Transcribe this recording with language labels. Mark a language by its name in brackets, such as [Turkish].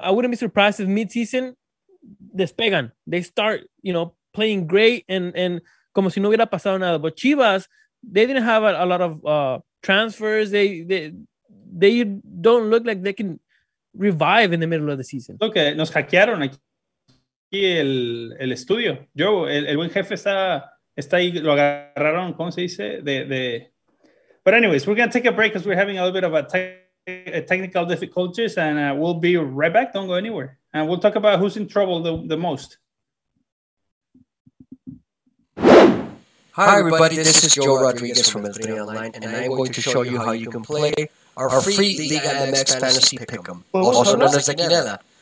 [English] I wouldn't be surprised if mid-season despegan, they start, you know, playing great and [Spanish] como si no hubiera pasado nada. [English] But Chivas, they didn't have a lot of transfers. They don't look like they can revive in the middle of the season. Look, [Spanish] nos hackearon aquí el estudio. Yo, el buen jefe está ahí, lo agarraron, ¿cómo se dice? De. [English] But anyways, we're going to take a break because we're having a little bit of a technical difficulties and we'll be right back. Don't go anywhere. And we'll talk about who's in trouble the most. Hi, everybody. This is Joe Rodriguez from El Trin Online, and I'm going to show you how you can play our free Liga MX Fantasy Pick'em, also known as the Quinela.